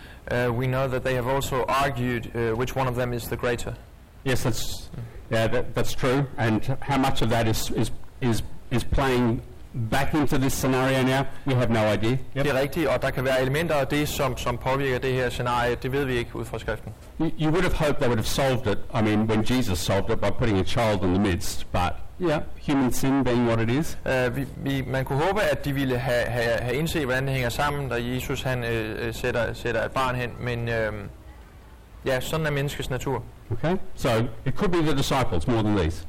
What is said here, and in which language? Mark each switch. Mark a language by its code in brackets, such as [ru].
[en] We know that they have also argued which one of them is the greater. Yes, that's... Yeah, that's true. And how much of that is playing back into this scenario now? We have no idea. Yep. [da] Det er rigtigt, og der kan være elementer af det, som påvirker det her scenario. Det ved vi ikke ud fra skriften. [en] You would have hoped they would have solved it. I mean, when Jesus solved it by putting a child in the midst, but yeah, human sin being what it is. [da] Man kunne håbe, at de ville have indset, hvordan det hænger sammen, da Jesus sætter et barn hen, men ja, sådan er menneskets natur. [en] Okay, so it could be the disciples more than these.